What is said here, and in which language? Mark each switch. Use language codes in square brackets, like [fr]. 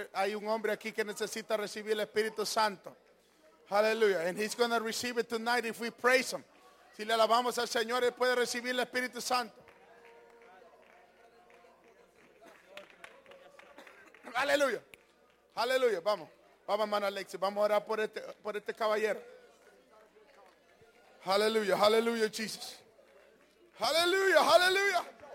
[es] Hay un hombre aquí que necesita recibir el Espíritu Santo. Hallelujah. [en] And he's gonna receive it tonight if we praise him. [es] Si le alabamos al Señor, él puede recibir el Espíritu Santo. Hallelujah. Hallelujah. Vamos. Vamos, hermano Alexis. Vamos a orar por este caballero. Hallelujah. Hallelujah, Jesus. Hallelujah. Hallelujah.